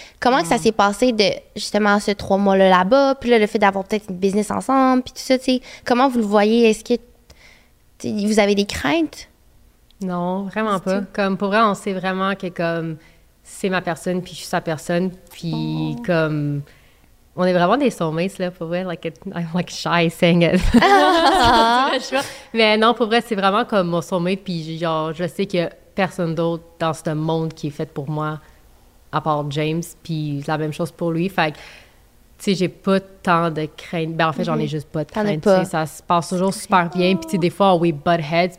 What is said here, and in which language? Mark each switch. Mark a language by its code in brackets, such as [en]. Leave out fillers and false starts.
[fr] Comment que ça s'est passé de, justement, ce 3 mois-là là-bas, puis là, le fait d'avoir peut-être une business ensemble, puis tout ça, tu sais, comment vous le voyez? Est-ce que vous avez des craintes? Non, vraiment pas. Comme, pour vrai, on sait vraiment que, comme, c'est ma personne, puis je suis sa personne, puis comme... On est vraiment des soulmates, là, pour vrai. [en] Like, I'm like shy saying it. [fr] Mais non, pour vrai, c'est vraiment comme mon soulmate. Puis genre, je sais qu'il y a personne d'autre dans ce monde qui est fait pour moi, à part James. Puis la même chose pour lui. Fait que, tu sais, j'ai pas tant de crainte. Ben, en fait, j'en ai juste pas de crainte. Pas. Ça se passe toujours super bien. Puis tu sais, des fois, [en] we butt heads.